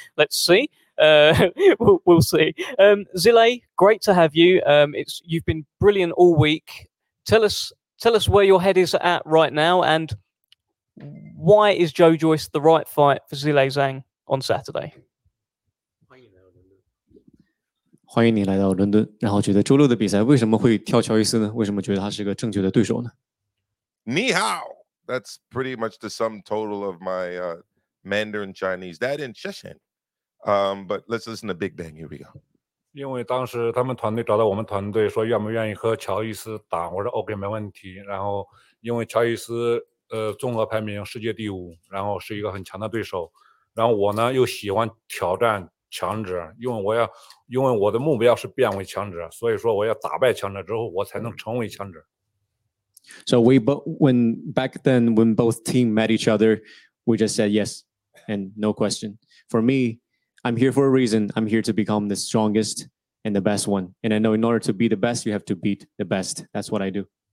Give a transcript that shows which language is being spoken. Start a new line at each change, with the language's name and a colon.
English: Let's see. we'll see. Zhilei, great to have you. You've been brilliant all week. Tell us where your head is at right now, and why is Joe Joyce the right fight for Zhilei Zhang on Saturday?
Chinese: 欢迎你来到伦敦。然后觉得周六的比赛为什么会跳乔伊斯呢？为什么觉得他是个正确的对手呢？你好
English: ，That's pretty much the sum total of my Mandarin Chinese. That in Shishan. But let's listen to Big Bang. Here we go.
Chinese: 因为当时他们团队找到我们团队说愿不愿意和乔伊斯打，我说 OK 没问题。然后因为乔伊斯综合排名世界第五，然后是一个很强的对手。然后我呢又喜欢挑战强者，因为我要，因为我的目标是变为强者，所以说我要打败强者之后，我才能成为强者。
English: So we when back then when both team met each other, we just said yes and no question. For me, I'm here for a reason. I'm here to become the strongest and the best one. And I know in order to be the best, you have to beat the best. That's what I do.